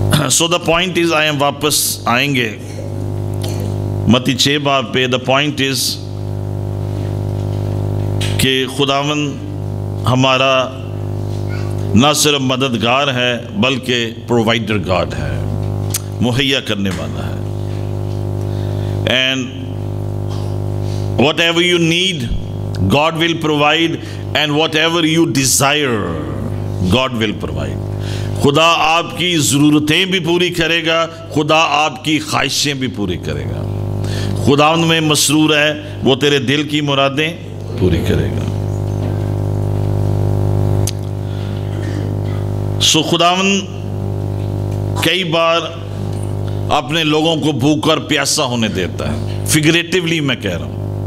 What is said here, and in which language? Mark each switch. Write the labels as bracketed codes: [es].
[en] so the point is, I am [ur] واپس آئیں گے متی 6 باب پہ. [en] the point is [ur] کہ خداوند ہمارا نہ صرف مددگار ہے بلکہ پرووائڈر گاڈ ہے, مہیا کرنے والا ہے. [en] And whatever you need God will provide, and whatever you desire God will provide. [ur] خدا آپ کی ضرورتیں بھی پوری کرے گا, خدا آپ کی خواہشیں بھی پوری کرے گا, خداوند میں مسرور ہے، وہ تیرے دل کی مرادیں پوری کرے گا۔ سو خداوند کئی بار اپنے لوگوں کو بھوک اور پیاسا ہونے دیتا ہے، فگریٹیولی میں کہہ رہا ہوں۔